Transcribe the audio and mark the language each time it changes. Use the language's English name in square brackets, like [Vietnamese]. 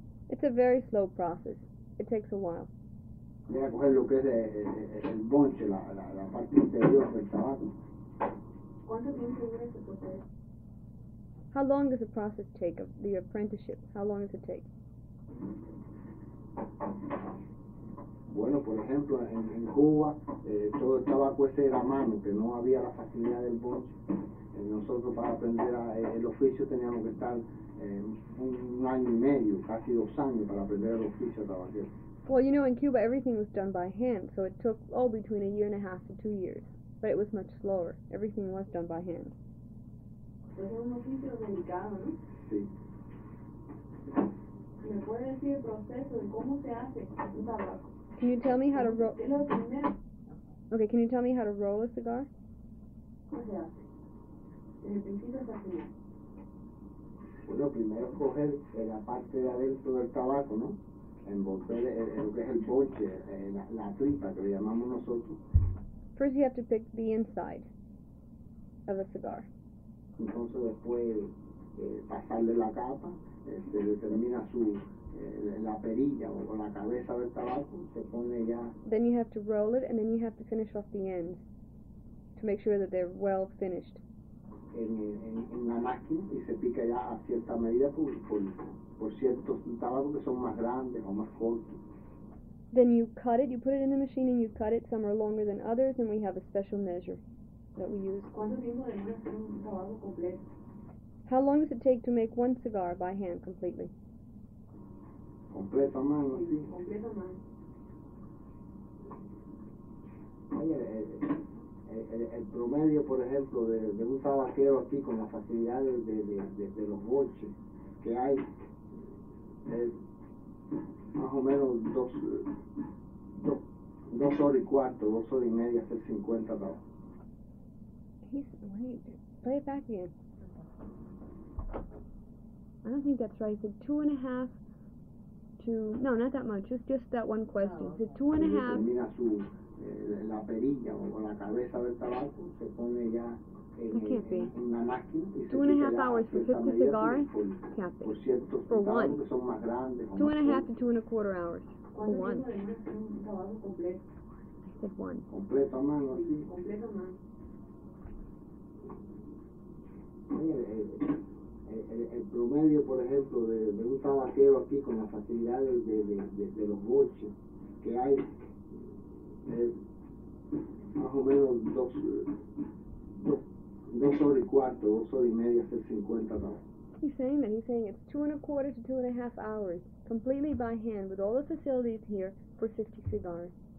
[English] It's a very slow process. It takes a while. How long does the process take of the apprenticeship? How long does it take? [Spanish] Bueno, por ejemplo, en Cuba, todo el tabaco ese era a mano, que no había la facilidad del bonche. Nosotros para aprender el oficio teníamos que estar un año y medio, casi dos años, para aprender el oficio tabaquero. [English] Well, you know, in Cuba, everything was done by hand, so it took all between a year and a half to 2 years. But it was much slower. Everything was done by hand. [Spanish] Pues es un oficio delicado, ¿no? Sí. ¿Me puede decir el proceso de cómo se hace un tabaco? [English] Can you tell me how to roll? [Spanish] Es lo primero. [English] Okay, can you tell me how to roll a cigar? [Spanish] ¿Cómo se hace? En el principio es así. Bueno, primero coger la parte de adentro del tabaco, ¿no? Envolver lo que es el boche, la tripa que le llamamos nosotros. [English] First you have to pick the inside of a cigar. [Spanish] Entonces después pasarle la capa, se determina su la perilla o la cabeza del tabaco, se pone ya. [English] Then you have to roll it and then you have to finish off the end to make sure that they're well finished. [Spanish] En la máquina y se pica ya a cierta medida por ciertos tabacos que son más grandes o más cortos. [English] Then you cut it, you put it in the machine and you cut it. Some are longer than others and we have a special measure that we use. [Spanish] ¿Cuánto tiempo debe hacer un tabaco completo? [English] How long does it take to make one cigar by hand completely? [Spanish] Completo a mano, sí. Completo a mano. El promedio, por ejemplo, de un tabaquero aquí con la facilidad de los boches que hay, más o menos dos horas y cuarto, dos horas y media, hacer 50 tabacos. [English] He's late. Play it back again. I don't think that's right. It's 2.5. No, not that much. It's just that one question. Oh, okay. So 2.5. [Spanish] La perilla o la cabeza del tabaco se pone ya en la máquina. [English] 2.5 hours for 50 cigars. Can't be. For one. [Spanish] Que son más grandes, [English] 2.5 to 2.25 hours. For one. [Spanish] Completo a mano, sí. Completo a mano. El promedio, por ejemplo, de un tabaquero aquí con la facilidad de los boches que hay, más o menos dos horas y cuarto, dos horas y media, hacer 50 tabacos. [English] He's saying that. He's saying it's 2.25 to 2.5 hours, completely by hand, with all the facilities here, for 50 cigars.